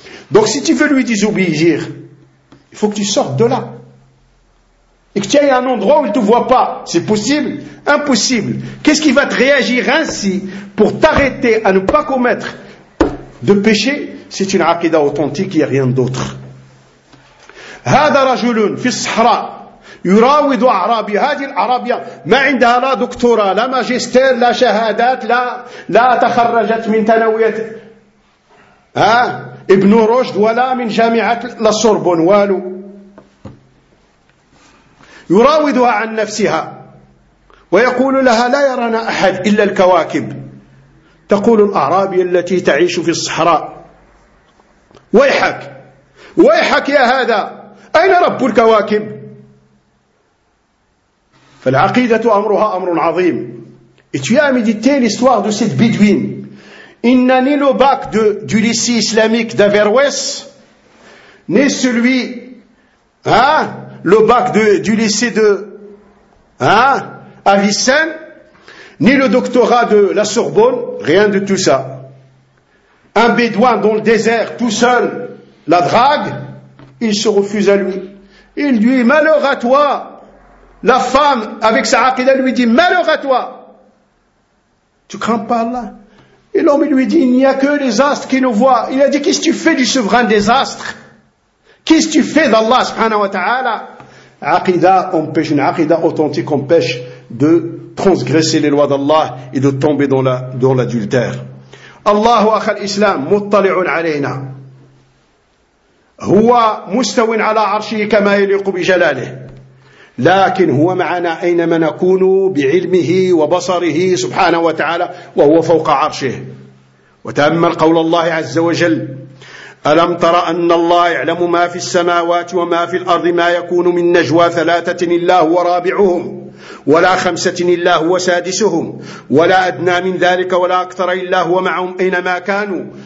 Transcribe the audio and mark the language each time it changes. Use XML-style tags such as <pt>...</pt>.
<fr>Donc si tu veux lui désobéir, il faut que tu sortes de là et que tu ailles à un endroit où il ne te voit pas. C'est possible? Impossible. Qu'est-ce qui va te réagir ainsi pour t'arrêter à ne pas commettre de péché? C'est une aqida authentique, il n'y a rien d'autre.</fr> <ar>هذا رجل في الصحراء يراود أعرابي، هذه الأعرابية ما عندها لا دكتورة لا ماجستير لا شهادات لا تخرجت من ثانوية ابن رشد ولا من جامعة لسوربون والو، يراودها عن نفسها ويقول لها لا يرانا أحد إلا الكواكب. تقول الأعرابية التي تعيش في الصحراء ويحك ويحك يا هذا، أين رب الكواكب؟ فالعقيدة أمرها أمر عظيم.</ar> <fr>Et tu as médité l'histoire de cette bédouine. Il n'a ni le bac du lycée islamique d'Averroès, ni celui, le bac du lycée de Avicenne, ni le doctorat de la Sorbonne, rien de tout ça. Un bédouin dans le désert, tout seul, la drague. Il se refuse à lui. Il lui dit malheur à toi. La femme avec sa aqida lui dit malheur à toi. Tu crains pas Allah? Et l'homme lui dit il n'y a que les astres qui nous voient. Il a dit qu'est-ce que tu fais du souverain des astres? Qu'est-ce que tu fais d'Allah subhanahu wa ta'ala? Aqida empêche, une aqida authentique empêche de transgresser les lois d'Allah et de tomber dans l'adultère. Allahu akhal islam muttali'un alayna.</fr> <ar>هو مستو على عرشه كما يليق بجلاله، لكن هو معنا أينما نكون بعلمه وبصره سبحانه وتعالى وهو فوق عرشه. وتأمل قول الله عز وجل ألم تر أن الله يعلم ما في السماوات وما في الأرض، ما يكون من نجوى ثلاثة إلا هو رابعهم ولا خمسة إلا هو سادسهم ولا أدنى من ذلك ولا أكثر إلا هو معهم أينما كانوا</ar>